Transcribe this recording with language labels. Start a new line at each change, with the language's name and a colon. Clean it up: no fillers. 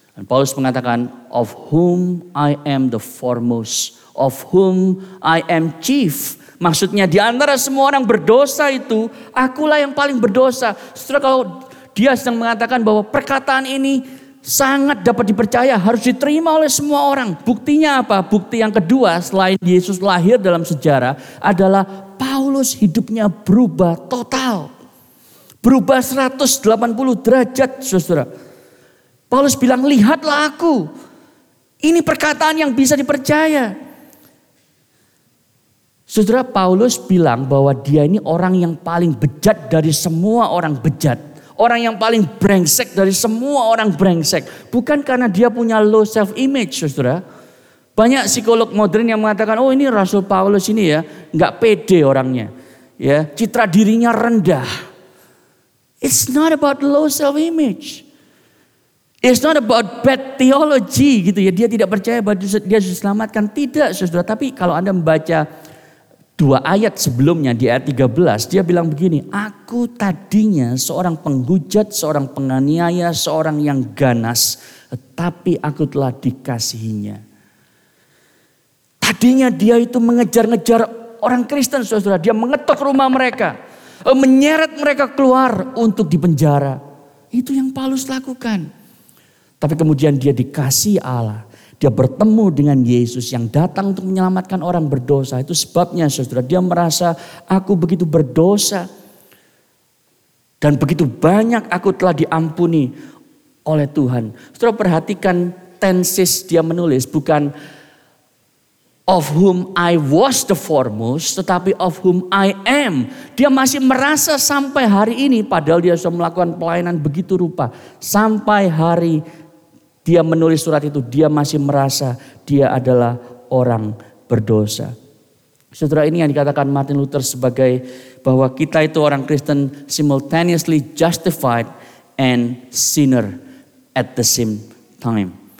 Indonesian: Dan Paulus mengatakan,
English: of whom I am the foremost, of whom I am chief.
Indonesian: Maksudnya di antara semua orang berdosa itu, akulah yang paling berdosa. Saudara, kalau dia sedang mengatakan bahwa perkataan ini sangat dapat dipercaya, harus diterima oleh semua orang. Buktinya apa? Bukti yang kedua selain Yesus lahir dalam sejarah adalah Paulus hidupnya berubah total. Berubah 180 derajat, saudara. Paulus bilang, lihatlah aku. Ini perkataan yang bisa dipercaya. Saudara, Paulus bilang bahwa dia ini orang yang paling bejat dari semua orang bejat. Orang yang paling brengsek dari semua orang brengsek. Bukan karena dia punya low self-image, saudara. Banyak psikolog modern yang mengatakan, oh ini Rasul Paulus ini ya, gak pede orangnya. Ya, citra dirinya rendah.
English: It's not about low self-image. It's not about bad theology,
Indonesian: gitu ya. Dia tidak percaya bahwa dia diselamatkan. Tidak, saudara. Tapi kalau Anda membaca dua ayat sebelumnya di ayat 13, dia bilang begini, aku tadinya seorang penghujat, seorang penganiaya, seorang yang ganas, tapi aku telah dikasihinya. Tadinya dia itu mengejar-ngejar orang Kristen, saudara. Dia mengetuk rumah mereka, menyeret mereka keluar untuk dipenjara. Itu yang Paulus lakukan. Tapi kemudian dia dikasihi Allah. Dia bertemu dengan Yesus yang datang untuk menyelamatkan orang berdosa. Itu sebabnya, saudara, dia merasa aku begitu berdosa. Dan begitu banyak aku telah diampuni oleh Tuhan. Saudara, perhatikan tenses dia menulis. Bukan
English: of whom I was the foremost,
Indonesian: tetapi
English: of whom I am.
Indonesian: Dia masih merasa sampai hari ini, padahal dia sudah melakukan pelayanan begitu rupa. Sampai hari dia menulis surat itu, dia masih merasa dia adalah orang berdosa. Saudara, ini yang dikatakan Martin Luther sebagai bahwa kita itu orang Kristen
English: simultaneously justified and sinner at the same time.